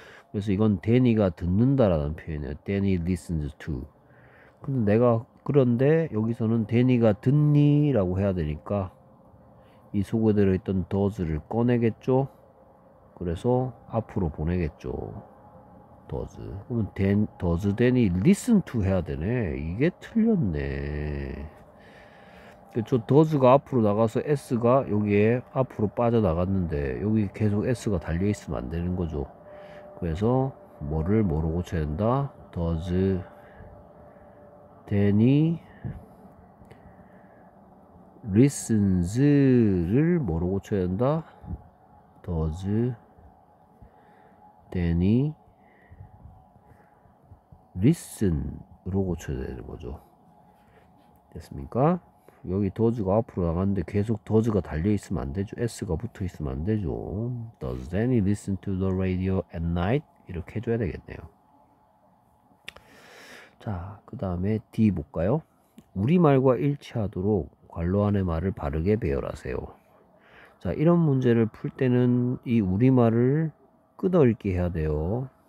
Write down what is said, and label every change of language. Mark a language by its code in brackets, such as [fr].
[ko] 그래서 이건 데니가 듣는다라는 표현이에요. [en] Danny listens to. [ko] 근데 내가 그런데 여기서는 데니가 듣니? 라고 해야 되니까 이 속에 들어있던 does를 꺼내겠죠? 그래서 앞으로 보내겠죠. [en] does. [ko] 그러면 [en] does Danny listen to [ko] 해야 되네. 이게 틀렸네. 그쵸? does가 앞으로 나가서 s가 여기에 앞으로 빠져나갔는데 여기 계속 s가 달려있으면 안 되는 거죠. 그래서 뭐를 뭐로 고쳐야 된다? [en] Does Danny listens [ko] 를 뭐로 고쳐야 된다? [en] Does Danny listen [ko] 으로 고쳐야 되는 거죠. 됐습니까? 여기 does가 앞으로 나갔는데 계속 does가 달려있으면 안 되죠. s가 붙어있으면 안 되죠. [en] Does Danny listen to the radio at night? [ko] 이렇게 해줘야 되겠네요. 자, 그 다음에 D 볼까요? 우리말과 일치하도록 관로 안의 말을 바르게 배열하세요. 자, 이런 문제를 풀 때는 이 우리말을 끄덕이게 해야 돼요.